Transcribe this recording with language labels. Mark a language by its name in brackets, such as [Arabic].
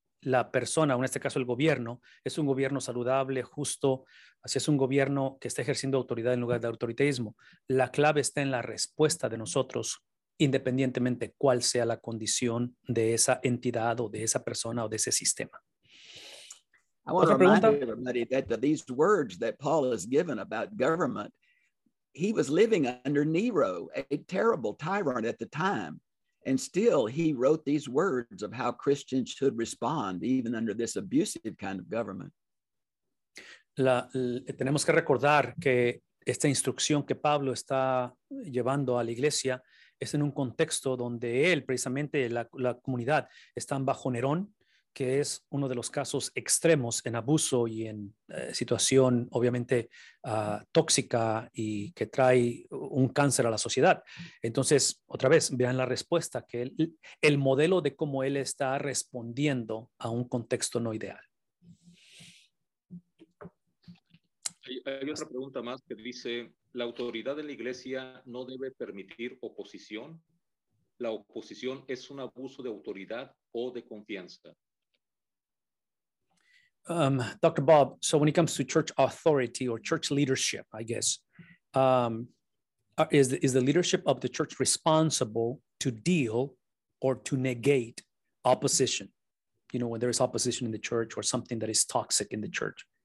[Spanish] la persona, en este caso el gobierno, es un gobierno saludable, justo, así es un gobierno que está ejerciendo autoridad en lugar de autoritarismo. La clave está en la respuesta de nosotros, independientemente cuál sea la condición de esa entidad o de esa persona o de ese sistema. [English] I want to remind everybody that these words that Paul has given about government, he was living under Nero, a terrible tyrant at the time. And still, he wrote these words of how Christians should respond, even under this abusive kind of government. [Spanish] Tenemos que recordar que esta instrucción que Pablo está llevando a la iglesia es en un contexto donde él, precisamente la comunidad, están bajo Nerón, que es uno de los casos extremos en abuso y en situación, obviamente, tóxica y que trae un cáncer a la sociedad. Entonces, otra vez, vean la respuesta, que el modelo de cómo él está respondiendo a un contexto no ideal. Hay otra pregunta más que dice, ¿la autoridad de la iglesia no debe permitir oposición? ¿La oposición es un abuso de autoridad o de confianza? [English] Dr. Bob, so when it comes to church authority or church leadership, I guess, is the leadership of the church responsible to deal or to negate opposition? you know, when there is opposition in the church or something that is toxic in the church?